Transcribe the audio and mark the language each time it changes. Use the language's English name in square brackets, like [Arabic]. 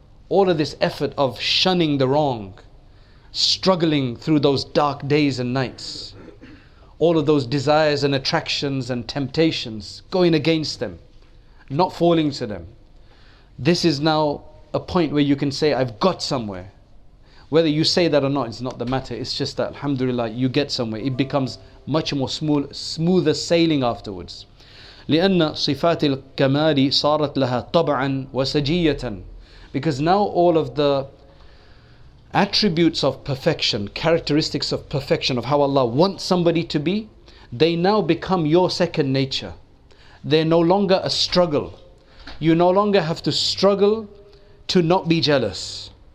[English] All of this effort of shunning the wrong, struggling through those dark days and nights, all of those desires and attractions and temptations, going against them, not falling to them. This is now a point where you can say, I've got somewhere. Whether you say that or not, it's not the matter. It's just that, alhamdulillah, you get somewhere. It becomes much more smoother sailing afterwards. [Arabic] لأن صفات الكمال صارت لها طبعا وسجية. [English] Because now all of the attributes of perfection, characteristics of perfection, of how Allah wants somebody to be, they now become your second nature. They're no longer a struggle. You no longer have to struggle to not be jealous.